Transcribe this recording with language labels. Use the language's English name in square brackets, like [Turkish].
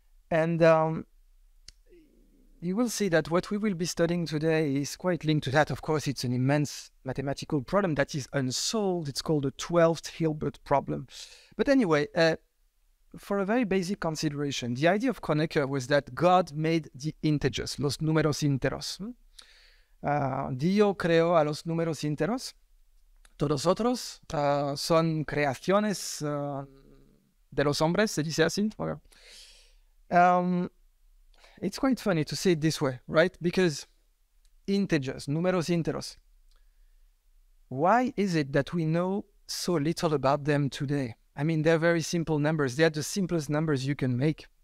[English] And you will see that what we will be studying today is quite linked to that. Of course, it's an immense mathematical problem that is unsolved. It's called the 12th Hilbert problem. But anyway, for a very basic consideration, the idea of Kronecker was that God made the integers, [Spanish] los números enteros. Dios creó a los números enteros. Todos otros son creaciones de los hombres, se dice así. [English] Okay. It's quite funny to say it this way, right? Because integers, [Spanish] números enteros. [English] Why is it that we know so little about them today? I mean, they're very simple numbers. They're the simplest numbers you can make.